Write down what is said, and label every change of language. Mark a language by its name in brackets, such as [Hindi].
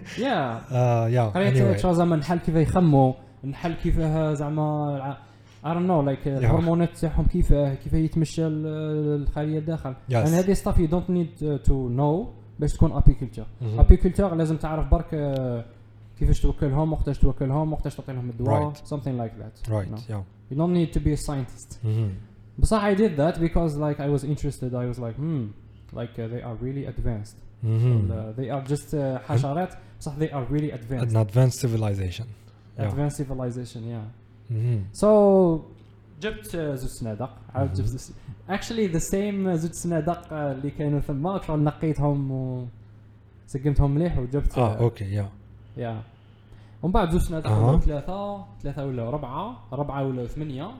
[Arabic] yeah قريت شغل زعما نحل كيف يخمو نحل كيف زعما [English] I don't know like [Arabic] الهرمونات تاعهم كيف يتمشى الخليه الداخل [English] yes. [Arabic] and هذه [English] stuff you don't need to know [Arabic] باش تكون apiculture apiculture لازم تعرف برك كيفاش توكلهم وقتاش توكلهم وقتاش تعطي لهم الدواء [English] something like that right you don't need to be a scientist But I did that because like I was interested I was like like they are really advanced they are just [Arabic] حشرات صح [English] they are really advanced an advanced civilization advanced civilization yeah so [Arabic] جبت زوج صندوق عاود جبت [English] actually the same [Arabic] زوج صندوق اللي كانوا ثم شغل نقيتهم وسقمتهم مليح وجبت [English] okay يا [Arabic] يا ومن بعد زوج صندوق ثلاثه ولا ربعه ولا ثمانيه